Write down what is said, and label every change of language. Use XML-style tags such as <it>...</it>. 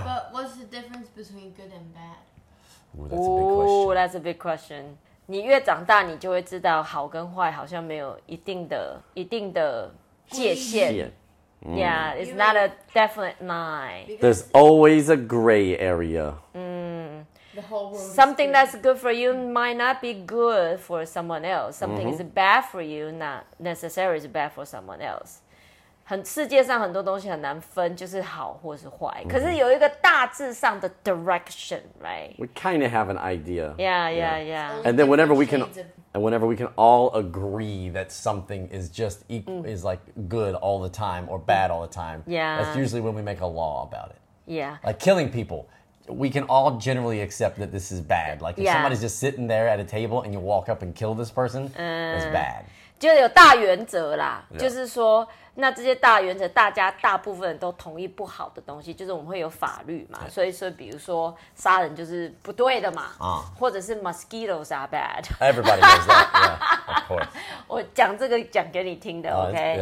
<en>But what's the difference between good and bad? Ooh, that's a big question.</en> <zh>你越长大你就会知道好跟坏好像没有一定的界限。</zh> <en>Yeah, it's not a definite line. There's always a gray area. Something that's good for you might not be good for someone else. Something、mm-hmm. is bad for you, not necessarily is bad for someone else.</en> <zh>世界上很多东西很难分，就是好或是坏。 Mm-hmm. 可是有一个大致上的</zh> <en>direction, right? We kind of have an idea. Yeah. And then whenever we can all agree that something is just equal,、mm-hmm. is like good all the time or bad all the time, yeah, that's usually when we make a law about it. Yeah. Like killing people. We can all generally accept that this is bad. Like if、yeah. somebody's just sitting there at a table and you walk up and kill this person,、it's bad.</en> <zh>就有大原则啦、yeah. 就是说那这些大原则大家大部分都同意不好的东西就是我们会有法律嘛、yeah. 所以比如说杀人就是不对的嘛、或者是</zh> <en>mosquitoes are bad. Everybody knows that, yeah, of course.</en> <zh>我讲这个讲给你听的、OK?</zh>